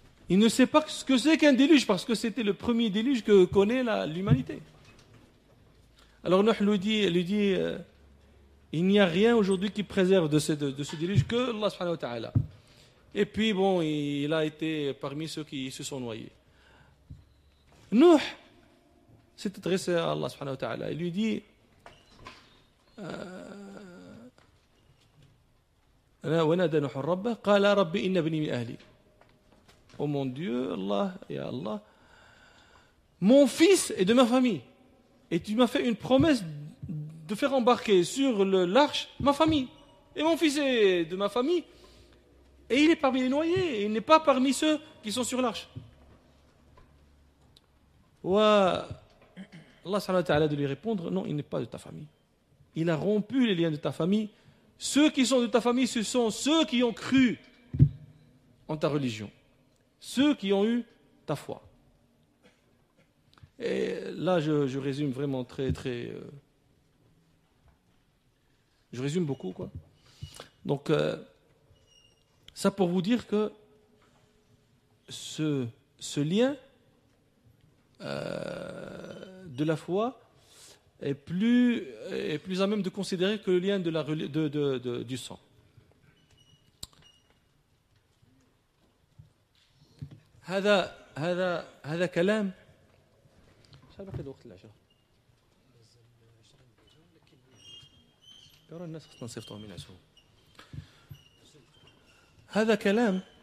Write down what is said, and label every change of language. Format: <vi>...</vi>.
<fr>Il ne sait pas ce que c'est qu'un déluge, parce que c'était le premier déluge que connaît l'humanité. Alors Nuh lui dit il n'y a rien aujourd'hui qui préserve de ce déluge que</fr> <ar>Allah subhanahu wa ta'ala.</ar> <fr>Et puis bon, il a été parmi ceux qui se sont noyés. Nuh s'est adressé à</fr> <ar>Allah subhanahu wa ta'ala.</ar> <fr>Il lui dit</fr> <ar>وَنَادَ نُحُ الرَّبَّ قَالَ رَبِّ إِنَّ بْنِي مِنْ أَهْلِي.</ar> <fr>Oh mon Dieu, Allah, ya Allah, mon fils est de ma famille. Et tu m'as fait une promesse de faire embarquer sur l'arche ma famille. Et mon fils est de ma famille. Et il est parmi les noyés. Il n'est pas parmi ceux qui sont sur l'arche. Et</fr> <ar>Allah subhanahu wa ta'ala</ar> <fr>de lui répondre, non, il n'est pas de ta famille. il a rompu les liens de ta famille. Ceux qui sont de ta famille, ce sont ceux qui ont cru en ta religion, ceux qui ont eu ta foi. Et là, je résume vraiment très, très... je résume beaucoup, quoi. Donc, ça pour vous dire que ce lien de la foi est plus à même de considérer que le lien de la, du sang.</fr> <ar>هذا كلام شحال باقي الوقت العشرة ترى الناس خصنا نصيفطوهم ينعسوا هذا كلام</ar>